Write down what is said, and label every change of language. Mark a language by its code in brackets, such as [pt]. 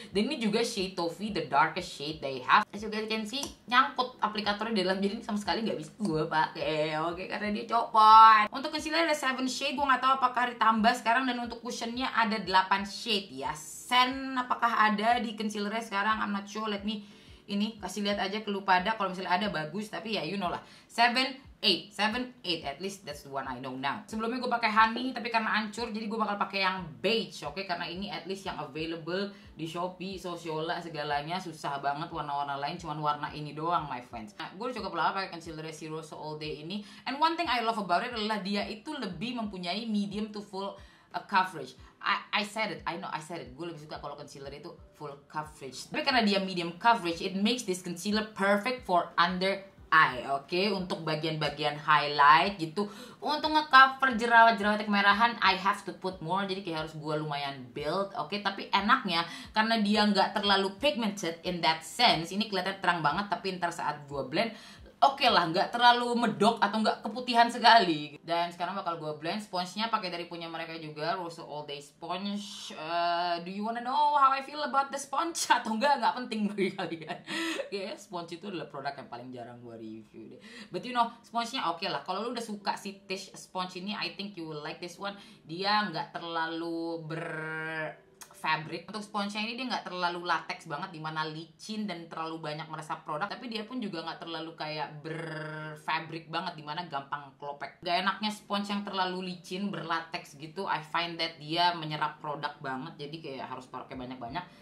[id] Dan ini juga shade Toffee, [en] the darkest shade they have. As you guys can see, [id] nyangkut aplikatornya di dalam, jadi sama sekali gak bisa gue pakai. Oke, karena dia copot. Untuk concealer ada 7 shade, gue gak tahu apakah ditambah sekarang. Dan untuk cushionnya ada 8 shade ya. Sen apakah ada di concealernya sekarang, [en] I'm not sure. Let me [id] ini kasih lihat aja ke lu pada, kalau misalnya ada bagus, tapi ya [en] you know [id] lah. [en] 7, 8, at least that's the one I know now. [id] Sebelumnya gue pakai honey, tapi karena hancur, jadi gue bakal pakai yang beige, oke? Okay? Karena ini [en] at least [id] yang available di Shopee, Sosiola, segalanya. Susah banget warna-warna lain, cuman warna ini doang, [en] my friends. [id] Nah, gue udah cukup lama pakai concealer si Rose All Day ini. [en] And one thing I love about it [id] adalah dia itu lebih mempunyai [en] medium to full coverage. I said it. [id] Gue lebih suka kalau concealer itu full coverage. Tapi karena dia medium coverage, [en] it makes this concealer perfect for under eye, [id] oke, okay? Untuk bagian-bagian highlight gitu, untuk ngecover jerawat-jerawat kemerahan, [en] I have to put more, [id] jadi kayak harus gue lumayan build, oke, okay? Tapi enaknya, karena dia nggak terlalu pigmented [en] in that sense, [id] ini kelihatan terang banget, tapi ntar saat gue blend, oke, okay lah, nggak terlalu medok atau nggak keputihan sekali. Dan sekarang bakal gue blend, sponge-nya pakai dari punya mereka juga, Rose All Day Sponge. [en] Do you wanna know how I feel about the sponge? [id] Atau nggak penting bagi kalian. Oke, okay, sponge itu adalah produk yang paling jarang gue review deh. [en] But you know, [id] sponge-nya oke, okay lah. Kalau lu udah suka si Tish sponge ini, [en] I think you will like this one. [id] Dia nggak terlalu fabric. Untuk sponge-nya ini dia nggak terlalu latex banget, dimana licin dan terlalu banyak meresap produk. Tapi dia pun juga nggak terlalu kayak berfabric banget, dimana gampang klopek. Gak enaknya sponge yang terlalu licin, berlatex gitu, [en] I find that [id] dia menyerap produk banget, jadi kayak harus pakai banyak-banyak.